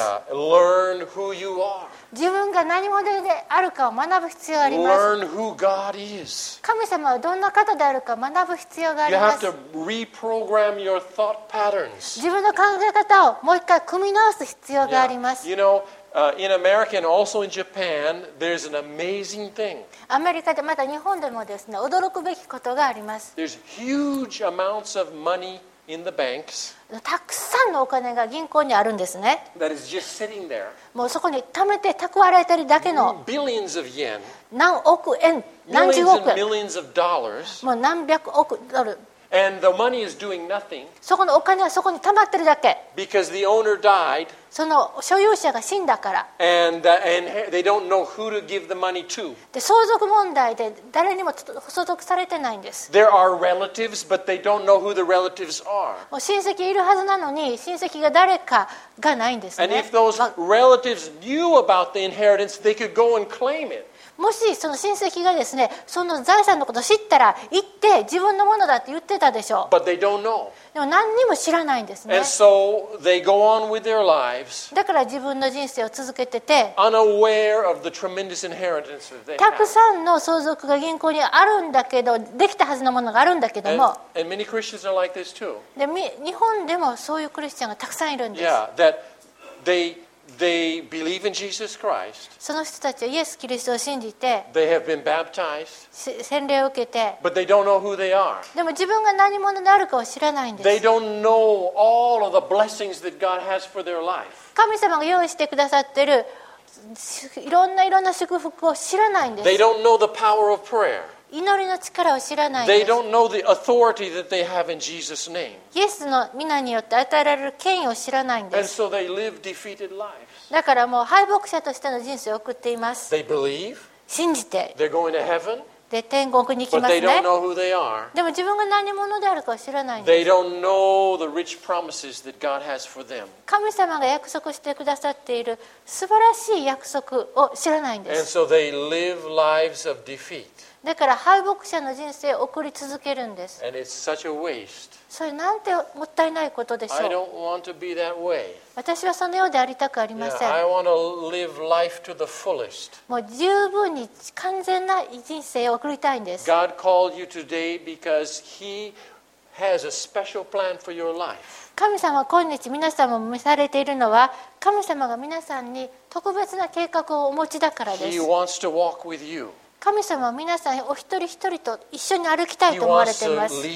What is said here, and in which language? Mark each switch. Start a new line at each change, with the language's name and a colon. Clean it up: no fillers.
English: Yeah. Learn who you are.
Japanese: 自分が何者であるかを学ぶ必要があります。
English: Learn who God is.
Japanese: 神様はどんな方であるかを学ぶ必要があります。
English: You have to reprogram your thought patterns.
Japanese: 自分の考え方をもう一回組み直す必要があります。
English: Yeah. You know, in America and also in Japan, there's an amazing thing.
Japanese: アメリカでまた日本でもですね、驚くべきことがあります。
English: There's huge amounts of money. In the banks,
Japanese: たくさんのお金が銀行にあるんですね。
English: That is just sitting there.
Japanese: もうそこに貯めて蓄えられてるだけの
English: billions of yen,
Japanese: 何億円、何十億円、
English: millions and millions of dollars,
Japanese: もう何百億ドル。
English: And the money is doing nothing.
Japanese: そこのお金はそこに溜まってるだけ。
English: Because the owner died.
Japanese: その所有者が死んだから。
English: And they don't know who to give the money to.
Japanese: で、相続問題で誰にも相続されてないんです。
English: There are relatives, but they don't know who the relatives are.
Japanese: もう親戚いるはずなのに親戚が誰かがないんですね。
English: And if those relatives knew about the inheritance, they could go and claim it.
Japanese: もしその親戚がですね、その財産のことを知ったら行って自分のものだって言ってたでしょう。
English: But they don't know.
Japanese: でも何にも知らないんですね。
English: And so they go on with their lives.
Japanese: だから自分の人生を続けてて、
English: unaware of the tremendous inheritance that they
Japanese: have. たくさんの相続が銀行にあるんだけど、できたはずのものがあるんだけども。
English: And many Christians are like this too.
Japanese: で、日本でもそういうクリスチャンがたくさんいるんです。
English: Yeah, that they. They believe in Jesus Christ.
Japanese: その人たちはイエス・キリストを信じて、
English: they have been baptized,
Japanese: 洗礼を受けて、
English: but they don't know who they are.
Japanese: でも自分が何者であるかを知らないんです。
English: They don't know all of the blessings that God has for their life.
Japanese: 神様が用意してくださってるいろんないろんな祝福を知らないんです。
English: They don't know the power of prayer.
Japanese: 祈りの力を知らないです。
English: They don't know the authority that they have in Jesus' name.
Japanese: イエスの名によって与えられる権威を知らないんです。
English: And so they live defeated lives.
Japanese: だからもう敗北者としての人生を送っています。
English: They believe.
Japanese: 信じて。
English: They're going to heaven.
Japanese: で、天国に行きますね。
English: But they don't know who they are.
Japanese: でも自分が何者であるかを知らないんです。
English: They don't know the rich promises that God has for them.
Japanese: 神様が約束してくださっている素晴らしい約束を知らないんです。
English: And so they live lives of defeat.
Japanese: だから敗北者の人生を送り続けるんです。
English: And it's such a waste.
Japanese: それなんてもったいないことでしょう。
English: I don't want to be that way.
Japanese: 私はそのようでありたくありません。
English: Yeah, I want to live life to the fullest.
Japanese: もう十分に完全な人生を送りたいんです。
English: God called you today because He has a special plan for your life.
Japanese: 神様は今日皆さんも召されているのは神様が皆さんに特別な計画をお持ちだからです。
English: He wants to walk with you.
Japanese: 神様は皆さんお一人一人と一緒に歩きたいと思われています。